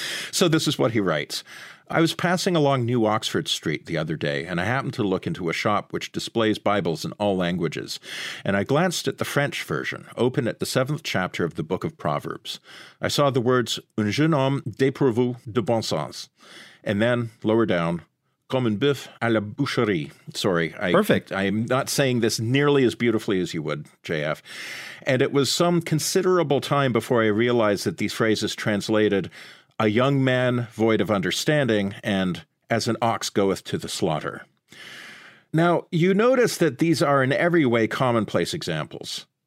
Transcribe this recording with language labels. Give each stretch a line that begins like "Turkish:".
English: So this is what he writes. I was passing along New Oxford Street the other day, and I happened to look into a shop which displays Bibles in all languages, and I glanced at the French version, open at the 7th chapter of the Book of Proverbs. I saw the words,
French: un jeune homme dépourvu de bon sens,
English: and then, lower down,
French: comme un bœuf à la boucherie.
English: Sorry. Perfect. I am not saying this nearly as beautifully as you would, JF. And it was some considerable time before I realized that these phrases translated a young man void of understanding and as an ox goeth to the slaughter. Now, you notice that these are in every way commonplace examples.